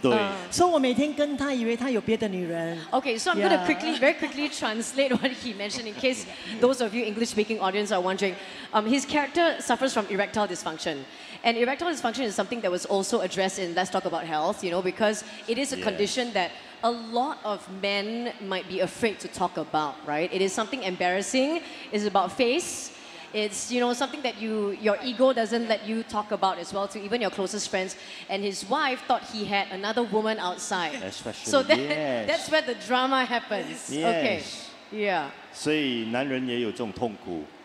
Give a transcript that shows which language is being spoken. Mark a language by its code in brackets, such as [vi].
[zh] 对。所以我每天跟她以为她有别的女人. [en] Okay, so I'm going to quickly, very quickly translate what he mentioned in case those of you English-speaking audience are wondering. His character suffers from erectile dysfunction. And erectile dysfunction is something that was also addressed in Let's Talk About Health, you know, because it is a condition that a lot of men might be afraid to talk about, right? It is something embarrassing. It's about face. It's, you know, something that you your ego doesn't let you talk about as well to even your closest friends. And his wife thought he had another woman outside. Especially, so that, that's where the drama happens. Okay. Yeah. [zh] 所以男人也有这种痛苦。